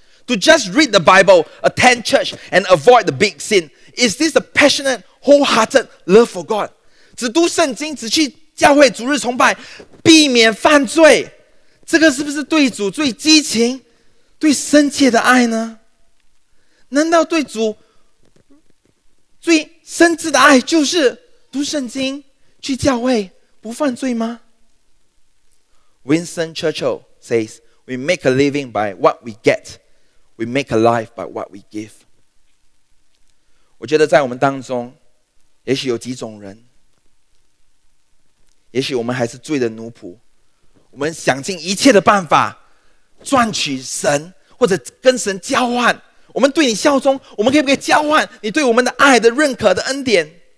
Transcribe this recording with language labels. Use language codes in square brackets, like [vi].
[en] To just read the Bible, attend church, and avoid the big sin, is this a passionate, wholehearted love for God? [zh] 只读圣经，只去教会主日崇拜，避免犯罪，这个是不是对主最激情、最深切的爱呢？难道对主最深挚的爱就是读圣经、去教会、不犯罪吗？ [en] Winston Churchill says, We make a living by what we get. We make a life by what we give. [zh] 我觉得在我们当中，也许有几种人，也许我们还是罪的奴仆，我们想尽一切的办法赚取神，或者跟神交换，我们对你效忠，我们可以不可以交换你对我们的爱的认可的恩典。